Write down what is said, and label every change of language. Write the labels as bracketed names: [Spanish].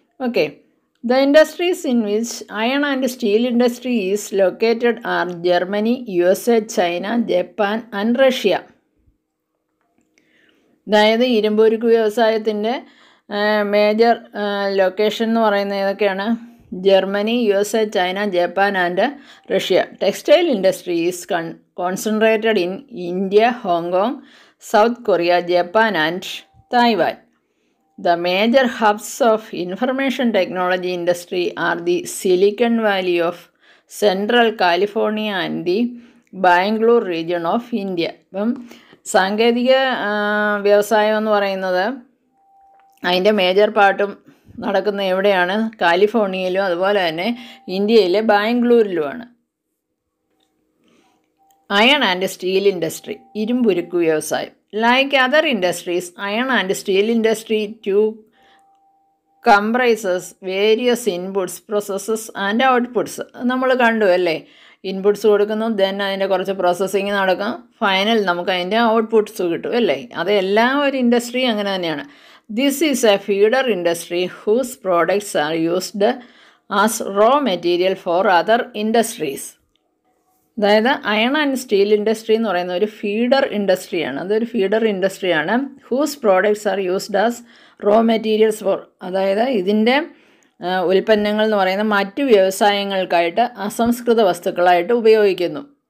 [English] Okay, the industries in which iron and steel industry is located are Germany, USA, China, Japan and Russia. [Malayalam] ദയദേ ഇരുമ്പുരുക്ക് വ്യവസായത്തിന്റെ major location എന്ന് പറയുന്നത് ഏതൊക്കെയാണ്? [English] Germany, USA, China, Japan and Russia. Textile industry is concentrated in India, Hong Kong, South Korea, Japan and Taiwan. The major hubs of information technology industry are the Silicon Valley of Central California and the Bangalore region of India. [Malayalam] അപ്പം സാങ്കേതിക വ്യവസായം എന്ന് പറയുന്നത് അതിൻ്റെ major പാർട്ടും നടക്കുന്നത് എവിടെയാണ്? കാലിഫോർണിയയിലും അതുപോലെ തന്നെ ഇന്ത്യയിലെ ബാംഗ്ലൂരിലുമാണ്. [English] iron and steel industry, [Malayalam] ഇരുമ്പുരുക്ക് വ്യവസായം. [English] Like other industries, iron and steel industry too comprises various inputs, processes and outputs. [Malayalam] നമ്മൾ കണ്ടു അല്ലേ, ഇൻപുട്സ് കൊടുക്കുന്നു, ദെൻ അതിൻ്റെ കുറച്ച് പ്രോസസ്സിങ് നടക്കും, ഫൈനൽ നമുക്ക് അതിൻ്റെ ഔട്ട്പുട്സ് കിട്ടും അല്ലേ. അതെല്ലാം ഒരു ഇൻഡസ്ട്രി അങ്ങനെ തന്നെയാണ്. [English] This is a feeder industry whose products are used as raw material for other industries. [Malayalam] അതായത് അയൺ ആൻഡ് സ്റ്റീൽ ഇൻഡസ്ട്രി എന്ന് പറയുന്ന ഒരു ഫീഡർ ഇൻഡസ്ട്രിയാണ്. അതൊരു feeder ഇൻഡസ്ട്രിയാണ്. [English] whose products are used as raw materials for, [Malayalam] അതായത് ഇതിൻ്റെ ഉൽപ്പന്നങ്ങൾ എന്ന് പറയുന്ന മറ്റു വ്യവസായങ്ങൾക്കായിട്ട് അസംസ്കൃത വസ്തുക്കളായിട്ട് ഉപയോഗിക്കുന്നു.